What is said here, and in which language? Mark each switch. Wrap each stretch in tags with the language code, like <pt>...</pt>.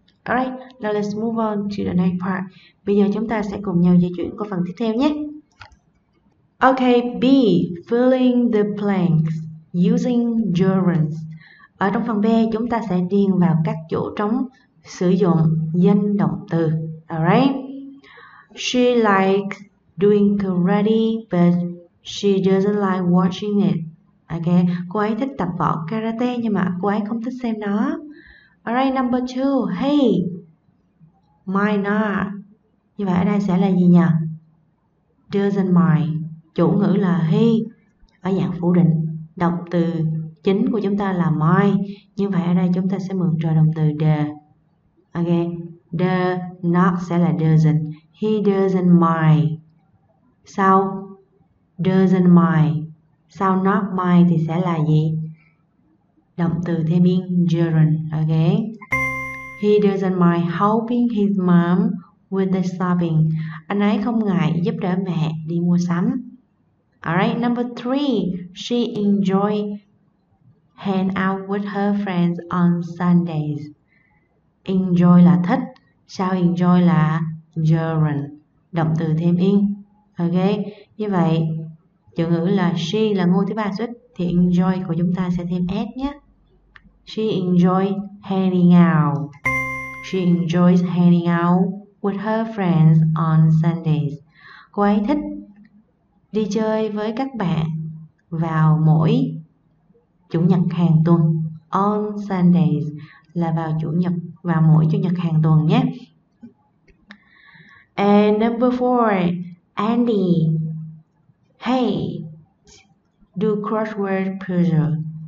<en>Alright, now let's move on to the next part.</en> <vi>Bây giờ chúng ta sẽ cùng nhau di chuyển qua phần tiếp theo nhé.</vi> <en>Okay, B, filling the blanks using gerunds.</en> <vi>Ở trong phần B, chúng ta sẽ điền vào các chỗ trống sử dụng danh động từ.</vi> <en>Alright, she likes doing karate, but she doesn't like watching it.</en> <vi>Ok, cô ấy thích tập võ karate nhưng mà cô ấy không thích xem nó.</vi> <en>Alright, number 2, hey, mind not.</en> <vi>Như vậy ở đây sẽ là gì nhỉ? Doesn't mind, chủ ngữ là he, ở dạng phủ định. Động từ chính của chúng ta là my, như vậy ở đây chúng ta sẽ mượn trợ động từ the.</vi> <en>Again, the not</en> <vi>sẽ là</vi> <en>doesn't. He doesn't mind.</en> <vi>Sau doesn't mind, sau not mind thì sẽ là gì? Động từ thêm in gerund.</vi> <en>Again, he doesn't mind helping his mom with the shopping.</en> <vi>Anh ấy không ngại giúp đỡ mẹ đi mua sắm.</vi> <en>Alright, number three, she enjoy hang out with her friends on Sundays.</en> <vi>Enjoy là thích, sau enjoy là gerun, động từ thêm in. Ok, như vậy chủ ngữ là she là ngôi thứ ba xuất thì enjoy của chúng ta sẽ thêm s nhé.</vi> <en>She enjoy hanging out. She enjoys hanging out with her friends on Sundays.</en> <vi>Cô ấy thích đi chơi với các bạn vào mỗi chủ nhật hàng tuần. On Sundays là vào chủ nhật, vào mỗi chủ nhật hàng tuần nhé.</vi> <en>And number four, Andy. Hey, do crossword puzzle.</en>